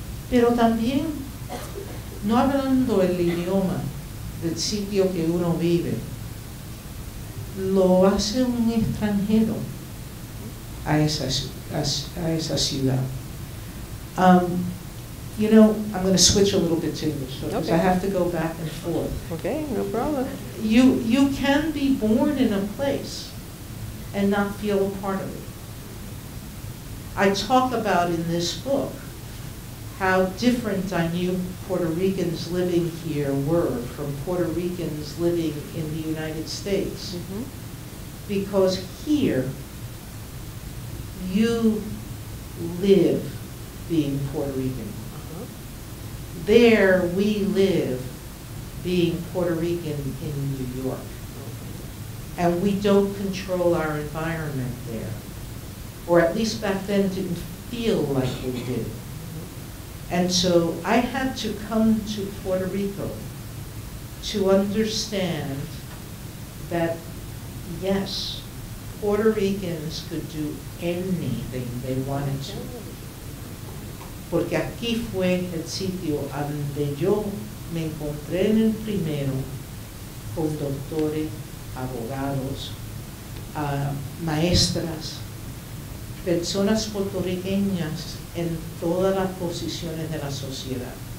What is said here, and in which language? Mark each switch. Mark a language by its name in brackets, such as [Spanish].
[Spanish] Pero también, no hablando el idioma del sitio que uno vive, lo hace un extranjero a esa ciudad. [English] You know, I'm going to switch a little bit to English, so, because I have to go back and forth. Okay, no problem. You can be born in a place and not feel a part of it. I talk about in this book how different I knew Puerto Ricans living here were from Puerto Ricans living in the United States. Mm-hmm. Because here, you live being Puerto Rican. There we live being Puerto Rican in New York. And we don't control our environment there. Or at least back then didn't feel like we did. And so I had to come to Puerto Rico to understand that, yes, Puerto Ricans could do anything they wanted to. [Spanish] Porque aquí fue el sitio donde yo me encontré en el primero con doctores, abogados, maestras, personas puertorriqueñas en todas las posiciones de la sociedad.